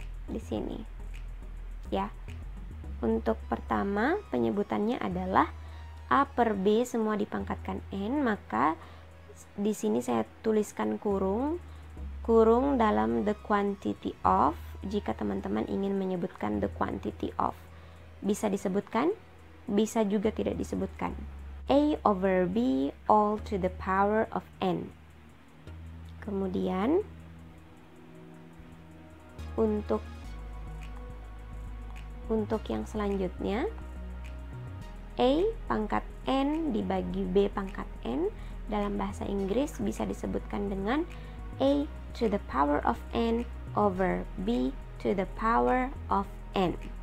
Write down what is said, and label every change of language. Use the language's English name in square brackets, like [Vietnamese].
[Indonesian] Di sini, ya. Untuk pertama, penyebutannya adalah A per B semua dipangkatkan N, maka di sini saya tuliskan kurung dalam [English] the quantity of. [Indonesian] Jika teman-teman ingin menyebutkan [English] the quantity of, [Indonesian] bisa disebutkan, bisa juga tidak disebutkan. [English] A over B all to the power of N. [Indonesian] Kemudian untuk yang selanjutnya, A pangkat N dibagi B pangkat N dalam bahasa Inggris bisa disebutkan dengan [English] A to the power of N [Indonesian] over B to the power of N.